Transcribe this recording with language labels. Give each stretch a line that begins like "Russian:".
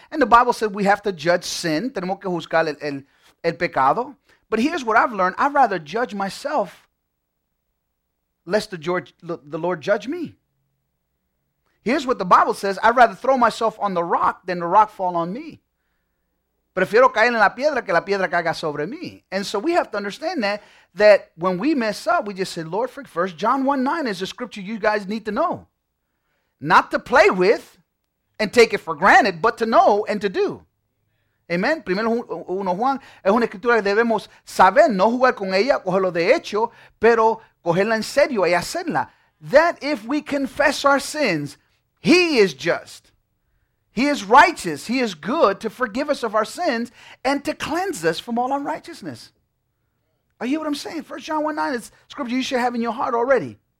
English: And the Bible said we have to judge sin.
Spanish: Tenemos que juzgar el pecado.
English: But here's what I've learned. I'd rather judge myself lest the Lord judge me. Here's what the Bible says. I'd rather throw myself on the rock than the rock fall on me.
Spanish: Prefiero caer en la piedra que la piedra caiga sobre mí.
English: And so we have to understand that when we mess up, we just say, Lord, forgive. 1 John 1:9 is a scripture you guys need to know. Not to play with and take it for granted, but to know and to do. Amen.
Spanish: Primero uno Juan es una escritura que debemos saber, no jugar con ella, cogerlo de hecho, pero cogerla en serio y hacerla.
English: That if we confess our sins, he is just. He is righteous. He is good to forgive us of our sins and to cleanse us from all unrighteousness. Are you what I'm saying? 1 John 1:9 is scripture you should have in your heart already.